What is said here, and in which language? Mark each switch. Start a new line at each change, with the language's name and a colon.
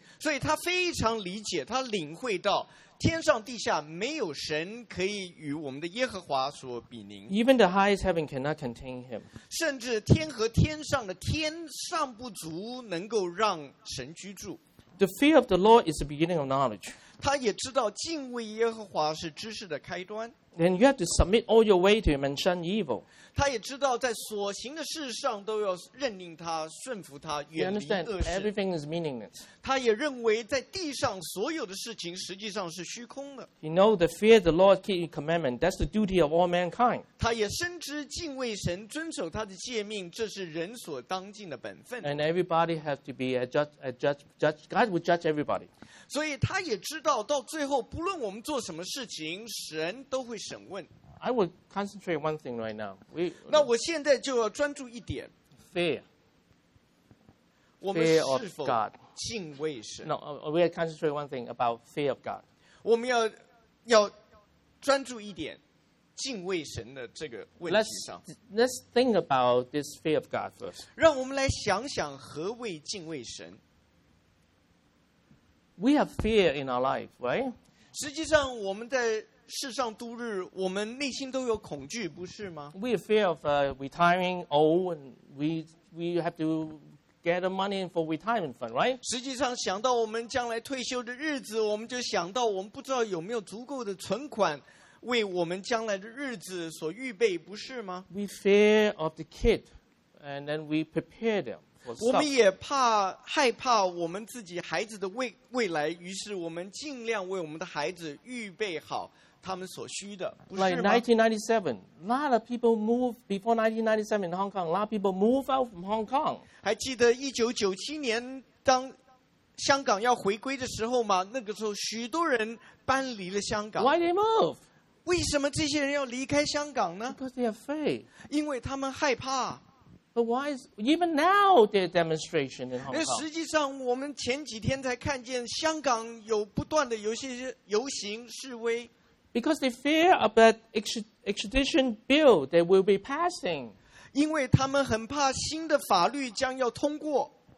Chinese: 所以他非常理解，他领会到天上地下没有神可以与我们的耶和华所比宁。
English: Even the highest heaven cannot contain him.
Chinese: 甚至天和天上的天尚不足能够让神居住。
English: The fear of the Lord is the beginning of knowledge.
Chinese: 他也知道敬畏耶和华是知识的开端。
English: And you have to submit all your way to him and shun evil.
Chinese: 他也知道在所行的事上都要认定他、顺服他、远离恶事。
English: He understands everything is meaningless.
Chinese: 他也认为在地上所有的事情实际上是虚空的。
English: He knows that fear the Lord, keep His commandment. That's the duty of all mankind.
Chinese: 他也深知敬畏神、遵守他的诫命，这是人所当尽的本分。
English: And everybody has to be a judge. God will judge everybody.
Chinese: 所以他也知道到最后不论我们做什么事情神都会审问。
English: I will concentrate one thing right now.
Chinese: 那我现在就要专注一点。
English: Fear.
Chinese: 我们是否敬畏神
English: No, we will concentrate one thing about fear of God.
Chinese: 我们要专注一点敬畏神的这个问题上。
English: Let's think about this fear of God first.
Chinese: 让我们来想想何谓敬畏神。
English: We have fear in our life, right?
Chinese: 实际上，我们在世上度日，我们内心都有恐惧，不是吗？
English: We have fear of retiring old, and we have to get the money for retirement fund, right?
Chinese: 实际上，想到我们将来退休的日子，我们就想到我们不知道有没有足够的存款为我们将来的日子所预备，不是吗？
English: We fear of the kid, and then we prepare them.
Chinese: 我们也怕害怕我们自己孩子的未来，于是我们尽量为我们的孩子预备好他们所需的，不是吗？
English: Like 1997, a lot of people moved before 1997 in Hong Kong. A lot of people moved out from Hong Kong.
Chinese: 还记得1997年当香港要回归的时候吗？那个时候许多人搬离了香港。
English: Why they move?
Chinese: 为什么这些人要离开香港呢？
English: Because they are afraid.
Chinese: 因为他们害怕。
English: But why is even now there demonstration in Hong Kong?
Chinese: 实际上我们前几天才看见香港有不断的有些游行示威。
English: Because they fear about extradition bill that will be passing.
Chinese: 因为他们很怕新的法律将要通过。